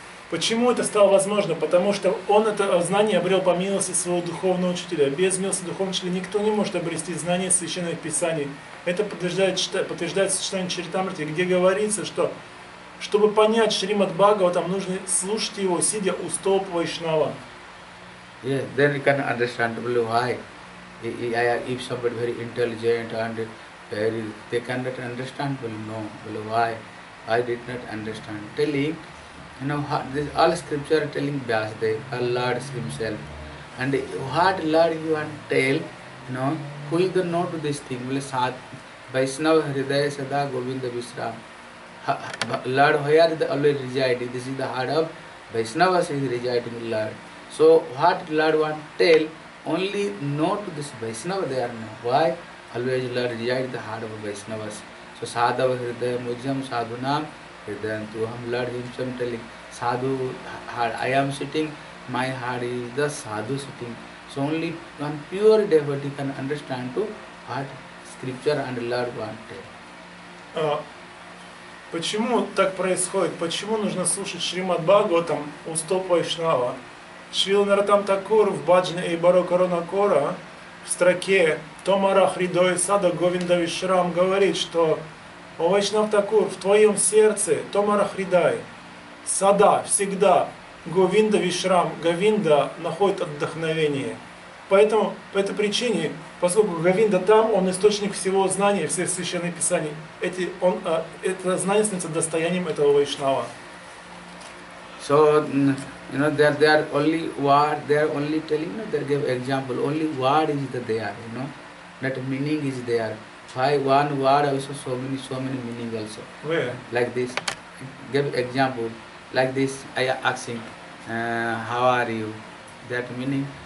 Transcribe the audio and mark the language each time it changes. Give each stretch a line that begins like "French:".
Russian: Почему это стало возможно? Потому что он это знание обрел по милости своего духовного учителя. Без милости духовного учителя никто не может обрести знание священных писаний. Это подтверждает сочетание Чаритамрити, где говорится, что чтобы понять Шримад Бхагаватам, нужно слушать его, сидя у стоп Вайшнава.
English: Yeah, then you can understand why. If somebody very intelligent and very, they cannot understand, well, no, well, why? I did not understand. Telling, you know, this all scripture telling Vyasadeva, our Lord himself. And what Lord you want tell, you know, who is the know to this thing? Well, Vaishnava Hridaya Sada Govinda Vishram. Lord, where are the always residing? This is the heart of Vaishnavas is rejecting Lord. So what Lord want to tell? Only not to this Vaishnava they are not. Why? Always Lord reject the heart of Vaishnavas. So sadhava hridayam ujjam sadhunam hridayam tuham. Lord himself telling sadhu heart. I am sitting, my heart is the sadhu sitting. So only one pure devotee can understand to what scripture and Lord want to tell.
Russian: Почему так происходит? Почему нужно слушать Шримад Бхагаватам у стоп Вайшнава? Шрила Наратам Такур в Баджане Эйбаро Корона Кора в строке Томара Хридой Сада Говинда Вишрам говорит, что о Вайшнав Такур, в твоем сердце Томара Хридай Сада всегда Говинда Вишрам, Говинда находит вдохновение. Поэтому по этой причине, поскольку Говинда там, он источник всего знания, всех священных писаний, это знание становится достоянием этого вайшнава.
English: So, you know, they are only word, they are only telling, you know, they give example, only word is the there, you know, that meaning is there. Why one word also so many meaning also. Where? Like this, give example, like this, I am asking, how are you, that meaning.